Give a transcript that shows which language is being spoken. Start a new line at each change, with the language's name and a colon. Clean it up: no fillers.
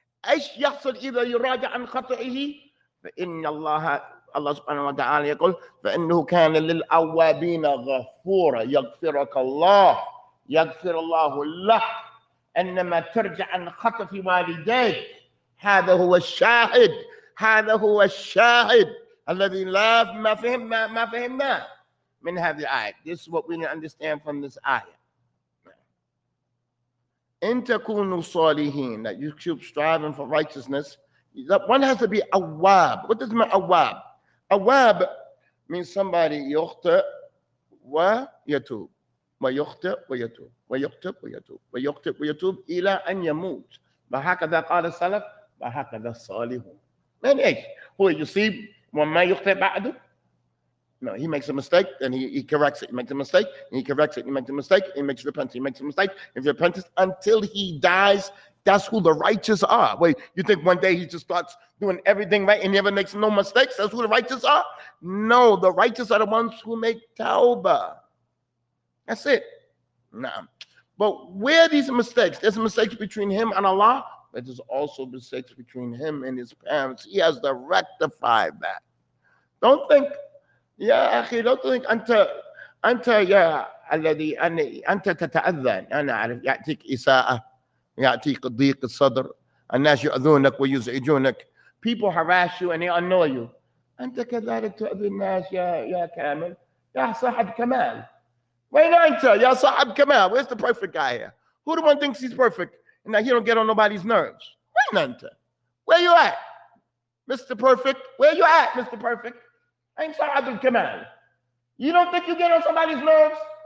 Arabic: إيش يحصل إذا يراجع عن خطئه؟ فإن الله الله سبحانه وتعالى يقول فإنه كان للأوابين غفورا. يغفرك الله, يغفر الله لك. إنما ترجع عن خطأ في والديك, هذا هو الشاهد, هذا هو الشاهد, الذي لاف ما فهم ما فهمنا من هذه الآية.
English: This is what we understand from this ayah.
Arabic: إن تكونوا صالحين,
English: that you should strive for righteousness, that one has to be awab. What does it mean awab? Awab means somebody
Arabic: يخطئ ويتوب ويخطئ ويتوب ويخطئ ويتوب ويخطئ ويتوب إلى أن يموت. وهكذا قال السلف وهكذا الصالحون. من إيش؟ هو يصيب وما يخطئ بعده.
English: No, he makes a mistake, then he corrects it. He makes a mistake, he corrects it. He makes a mistake, he makes repentance. He makes a mistake, if he repents until he dies, that's who the righteous are. Wait, you think one day he just starts doing everything right and he never makes no mistakes? That's who the righteous are? No, the righteous are the ones who make tawbah. That's it. Nah. But where are these mistakes? There's mistakes between him and Allah, but there's also mistakes between him and his parents. He has to rectify that. Don't think...
Arabic: يا أخي لو تقول أنت يا الذي أنت تتأذى, أنا أعرف يأتيك إساءة, يأتيك ضيق الصدر, الناس يؤذونك ويزعجونك,
English: people harass you and they annoy you,
Arabic: أنت كذلك تؤذي الناس يا كامل, يا صاحب كمال. وين أنت يا صاحب كمال؟
English: Where's the perfect guy here? Who the one thinks he's perfect and that he don't get on nobody's nerves?
Arabic: وين أنت؟
English: Where you at, Mr. Perfect? Where you at, Mr. Perfect? Ain't Sa'ad al-Kamal. You don't think you get on somebody's nerves?